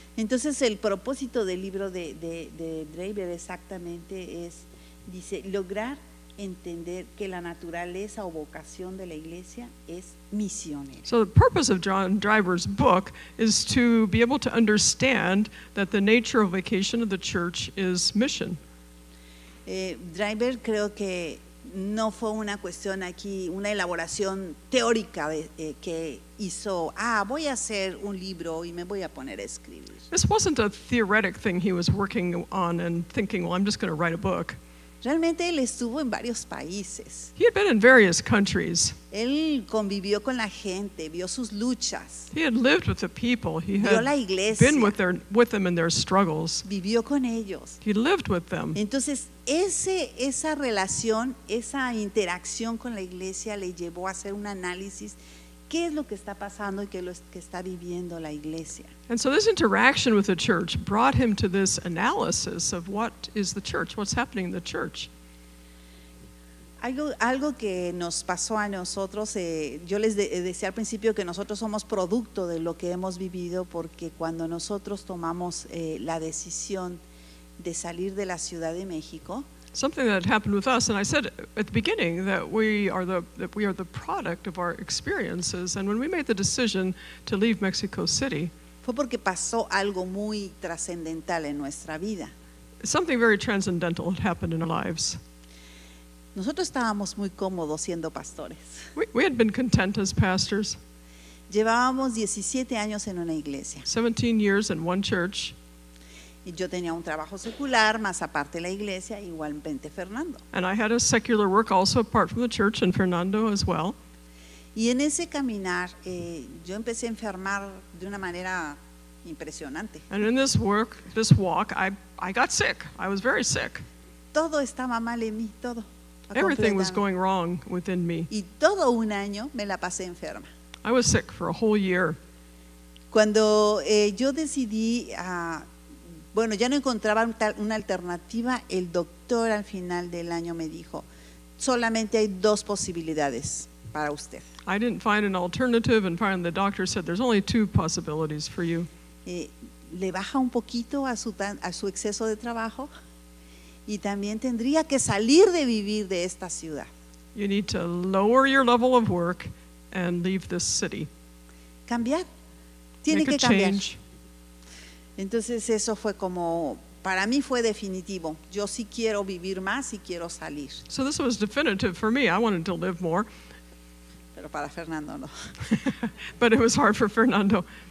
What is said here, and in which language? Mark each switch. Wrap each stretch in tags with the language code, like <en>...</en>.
<es>Entonces el propósito del libro de Draper exactamente es, dice, lograr entender que la naturaleza o vocación de la iglesia es misionera.</es> <en>So the purpose of John Driver's book is to be able to understand that the nature of vocation of the church is mission.</en> <es>Driver creo que no fue una cuestión aquí, una elaboración teórica que hizo, voy a hacer un libro y me voy a poner a escribir.</es> <en>This wasn't a theoretic thing he was working on and thinking, well, I'm just going to write a book.</en> <es>Realmente él estuvo en varios países.</es> <en>He had been in various countries.</en> <es>Él convivió con la gente, vio sus luchas.</es> <en>He had lived with the people. He</en> <es>vio la iglesia.</es> <en>Been with them in their struggles.</en> <es>Vivió con ellos.</es> <en>He lived with them.</en> <es>Entonces, esa relación, esa interacción con la iglesia le llevó a hacer un análisis. ¿Qué es lo que está pasando y qué es lo que está viviendo la iglesia?</es> <en>And so this interaction with the church brought him to this analysis of what is the church, what's happening in the church.</en> <es>Algo que nos pasó a nosotros, yo les decía al principio que nosotros somos producto de lo que hemos vivido porque cuando nosotros tomamos la decisión de salir de la Ciudad de México.</es> <en>Something that happened with us, and I said at the beginning that we are the product of our experiences. And when we made the decision to leave Mexico City,</en> <es>fue porque pasó algo muy trascendental en nuestra vida.</es> <en>Something very transcendental had happened in our lives.</en> <es>Nosotros estábamos muy cómodos siendo pastores.</es> <en>We had been content as pastors.</en> <es>Llevábamos 17 años en una iglesia.</es> <en>17 years in one church.</en> <es>Yo tenía un trabajo secular, más aparte la iglesia, igualmente Fernando.</es> <en>And I had a secular work also apart from the church and Fernando as well.</en> <es>Y en ese caminar, yo empecé a enfermar de una manera Impresionante.</es> <en>And in this work, this walk, I got sick. I was very sick.</en> <es>Todo estaba mal en mí, todo.</es> <en>Everything was going wrong within me.</en> <es>Y todo un año me la pasé enferma.</es> <en>I was sick for a whole year.</en> <es>Cuando yo decidí, bueno, ya no encontraba una alternativa, el doctor al final del año me dijo, solamente hay dos posibilidades para usted.</es> <en>I didn't find an alternative, and finally the doctor said, there's only two possibilities for you.</en> <es>Le baja un poquito a su exceso de trabajo, y también tendría que salir de vivir de esta ciudad.</es> <en>You need to lower your level of work and leave this city.</en> <es>Cambiar. Tiene</es> <en>Make</en> <es>que</es> <en>a</en> <es>cambiar.</es> <en>Change.</en> <es>Entonces eso fue como, para mí fue definitivo. Yo sí quiero vivir más y quiero salir.</es> <en>So this was definitive for me. I wanted to live more.</en> <es>Pero para Fernando no.</es> <en>But it was hard for Fernando.</en>